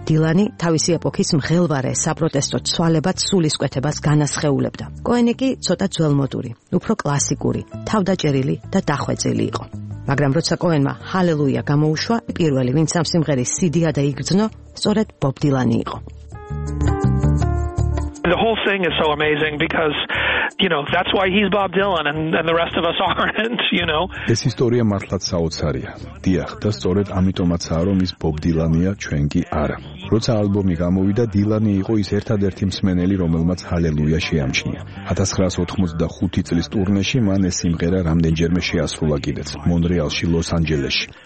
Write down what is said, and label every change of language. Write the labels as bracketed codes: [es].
[ka] დილანი თავისი ეპოქის მღელვარე საპროტესტო ცვალებად სულისკვეთებას განასხეულებდა. კოენი კი ცოტა ძველმოდური, უფრო კლასიკური, თავდაჭერილი და დახვეწილი იყო. მაგრამ როცა კოენმა Hallelujah გამოუშვა, პირველი ვინც ამ სიმღერის სიდია და იგრძნო, სწორედ ბობ დილანი იყო. [en] The whole thing is so amazing because, you know, that's why he's Bob Dylan and the rest of us aren't, you know. [ka] ეს ისტორია მართლაც საოცარია. დიახ, და სწორედ ამიტომაცაა, რომ ის ბობ დილანია, ჩვენ კი არა. როცა ალბომი გამოვიდა, დილანი იყო ის ერთადერთი მსმენელი, რომელმაც Hallelujah შეამჩნია. 1985 წლის ტურნეში მან ეს სიმღერა რამდენჯერმე შეასრულა კიდეც, მონრეალში, ლოს-ანჯელესში.